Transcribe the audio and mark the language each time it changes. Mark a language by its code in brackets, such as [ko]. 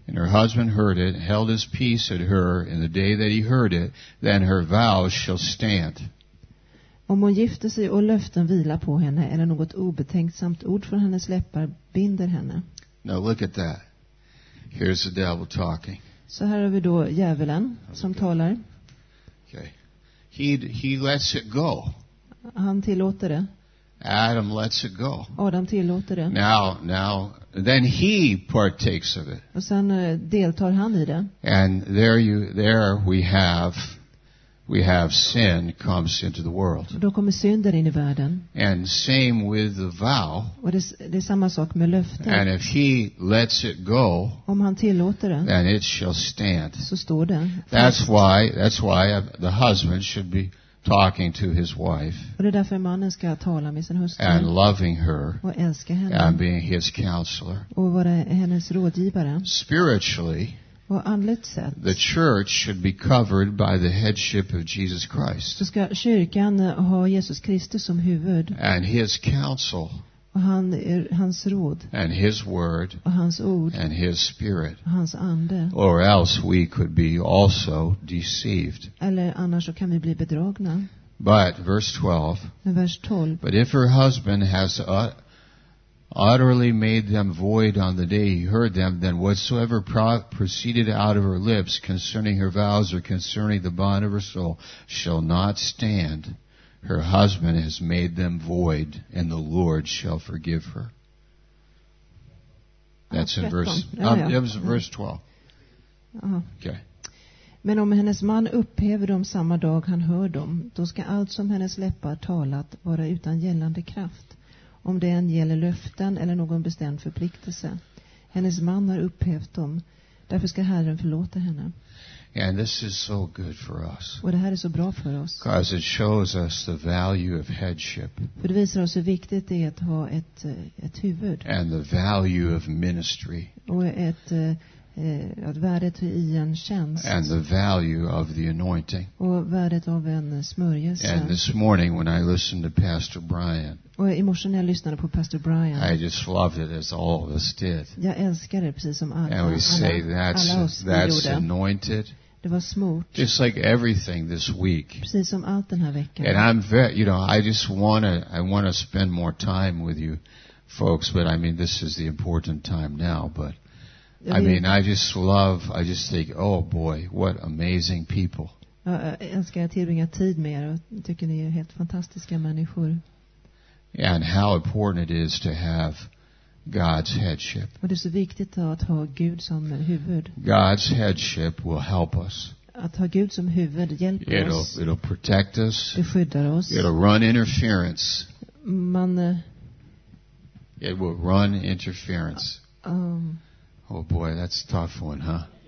[en] And her husband heard it, held his peace at her in the day that he heard it, then her vows shall stand. [sv] Om hon gifter sig och löften vilar på henne, eller något obetänksamt ord från hennes läppar binder henne. [en] Now look at that. Here's the devil talking. [sv] Så här har vi då djävulen som talar. [en] Okay. He lets it go. [sv] Han tillåter det. [en] Adam lets it go. [sv] Adam tillåter det. [en] Now then he partakes of it. [sv] Och sen deltar han i det. [en] And there we have sin comes into the world. [sv] Och då kommer synden in i världen. [en] And same with the vow. [sv] Och det är samma sak med löftet. [en] And if he lets it go, [sv] om han tillåter det, [en] then it shall stand. [sv] Så står det. [en] That's why the husband should be talking to his wife. [sv] Och det är därför mannen ska tala med sin hustru. [en] And loving her. [sv] Och älska henne. [en] And being his counselor. [sv] Och vara hennes rådgivare. [en] Spiritually. [sv] Och andligt sett. [en] The church should be covered by the headship of Jesus Christ. [sv] Så ska kyrkan ha Jesus Kristus som huvud. [en] And his counsel. [sv] Och hans råd. [en] And his word. [sv] Och hans ord. [en] And his spirit. [sv] Och hans ande. [en] Or else we could be also deceived. [sv] Eller annars så kan vi bli bedragna. [en] But verse 12. [sv] Vers 12. [en] But if her husband has utterly made them void on the day he heard them, then whatsoever proceeded out of her lips concerning her vows or concerning the bond of her soul shall not stand. Her husband has made them void, and the Lord shall forgive her. That's in verse 12. Okay. [sv] Men om hennes man upphäver dem samma dag han hör dem, då ska allt som hennes läppar talat vara utan gällande kraft. Om det än gäller löften eller någon bestämd förpliktelse. Hennes man har upphävt dem. Därför ska Herren förlåta henne. [en] And this is so good for us. [sv] Och det här är så bra för oss. [en] Because it shows us the value of headship. [sv] För det visar oss hur viktigt det är att ha ett huvud. [en] And the value of ministry. [sv] Och ett värdet i en tjänst. [en] And the value of the anointing. [sv] Och värdet av en smörjelse. [en] And this morning when I listened to Pastor Brian. [sv] Och i morse när jag lyssnade på Pastor Brian. [en] I just loved it as all of us did. [sv] Jag älskar det precis som alla. [en] And we say that's anointed. [sv] Det var smort. [en] Just like everything this week. [sv] Precis som allt den här veckan. [en] And I'm very, you know, I want to spend more time with you folks, but I mean this is the important time now, but I mean I just think oh boy, what amazing people. [sv] Jag älskar att tillbringa tid med er och tycker ni är helt fantastiska människor. [en] And how important it is to have God's headship. [sv] Och det är så viktigt att ha Gud som huvud. [en] God's headship will help us. [sv] Att ha Gud som huvud hjälper oss. [en] It'll protect us. [sv] Det skyddar oss. [en] It'll run interference. It will run interference. Oh boy, that's a tough one, huh?